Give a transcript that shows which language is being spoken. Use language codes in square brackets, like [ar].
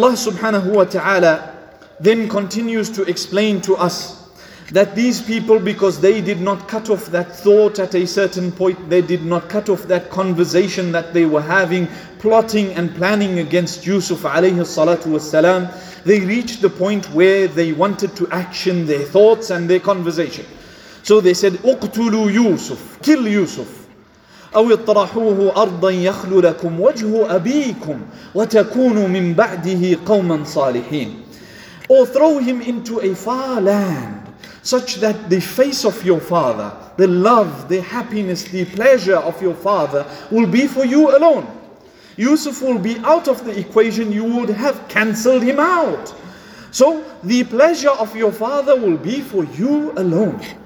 [en] Allah subhanahu wa ta'ala then continues to explain to us that these people, because they did not cut off that thought at a certain point, they did not cut off that conversation that they were having, plotting and planning against Yusuf alayhi salatu wasalam, they reached the point where they wanted to action their thoughts and their conversation. So they said, [ar] اُقْتُلُوا يُوسُف, [en] kill Yusuf. [ar] أو اطرحوه أرضا يخل لكم وجه أبيكم وتكونوا من بعده قوما صالحين. [en] Or throw him into a far land such that the face of your father, the love, the happiness, the pleasure of your father will be for you alone. Yusuf will be out of the equation. You would have cancelled him out. So the pleasure of your father will be for you alone.